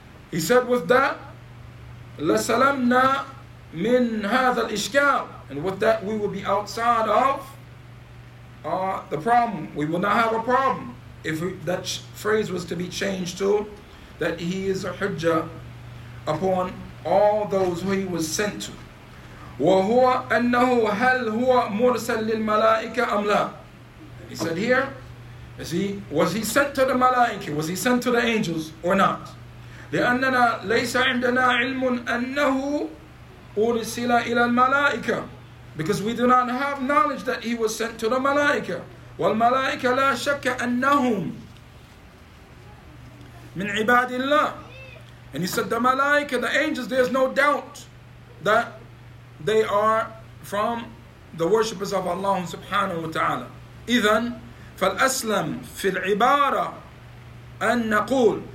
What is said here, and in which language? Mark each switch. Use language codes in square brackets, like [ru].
[en] He said with that, [ar] lasalamna min hadha al-ishkal. [en] And with that, we will be outside of the problem. We will not have a problem if that phrase was to be changed to that he is a hujjah upon all those who he was sent to. [ar] وهو أنه هل هو مرسل للملائكة أم لا. [en] He said here, was he sent to the malaika, was he sent to the angels or not? [ar] لأننا ليس عندنا علم أنه أرسل إلى الملائكة. [en] Because we do not have knowledge that he was sent to the malaika. [ar] والملائكة لا شك أنهم من عباد الله. [en] And he said, the malaika, the angels, there is no doubt that they are from the worshippers of Allah subhanahu wa ta'ala. [ar] إذن فالأسلم في العبارة أن نقول.